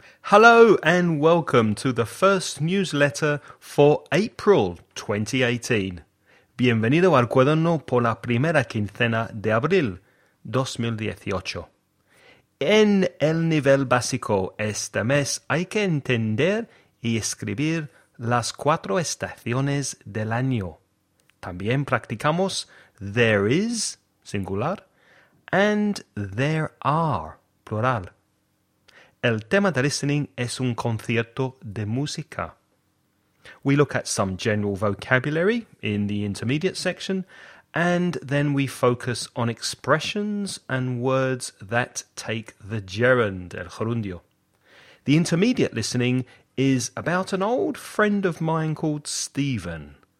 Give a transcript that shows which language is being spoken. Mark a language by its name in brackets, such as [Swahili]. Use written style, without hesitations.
[English] Hello and welcome to the first newsletter for April 2018. [Spanish] Bienvenido al cuaderno por la primera quincena de abril 2018. En el nivel básico este mes hay que entender y escribir las cuatro estaciones del año. También practicamos [English] there is, [Spanish] singular, and [English] there are, [Spanish] plural. El tema de listening es un concierto de música. [English] We look at some general vocabulary in the intermediate section, and then we focus on expressions and words that take the gerund, [Spanish] el gerundio. [English] The intermediate listening is about an old friend of mine called Stephen.